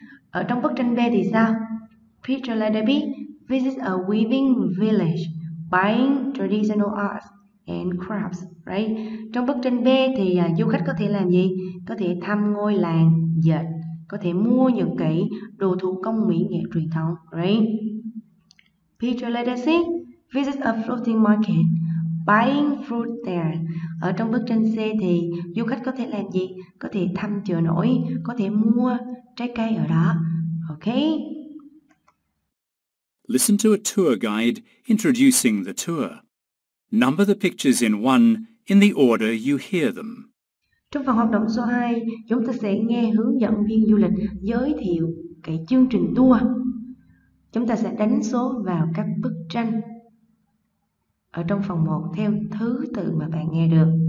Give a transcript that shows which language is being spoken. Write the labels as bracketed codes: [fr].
[vi] Ở trong bức tranh B thì sao? [en] Picture letter B, visit a weaving village, buying traditional arts and crafts, right? [vi] Trong bức tranh B thì du khách có thể làm gì? Có thể thăm ngôi làng dệt, có thể mua những cái đồ thủ công mỹ nghệ truyền thống, right? [en] Picture letter C, visit a floating market, buying fruit there. [vi] Ở trong bức tranh C thì du khách có thể làm gì? Có thể thăm chợ nổi, có thể mua trái cây ở đó. [en] Okay? Listen to a tour guide introducing the tour. Number the pictures in one in the order you hear them. [vi] Trong phần hoạt động số 2, chúng ta sẽ nghe hướng dẫn viên du lịch giới thiệu cái chương trình tour. Chúng ta sẽ đánh số vào các bức tranh ở trong phòng 1 theo thứ tự mà bạn nghe được.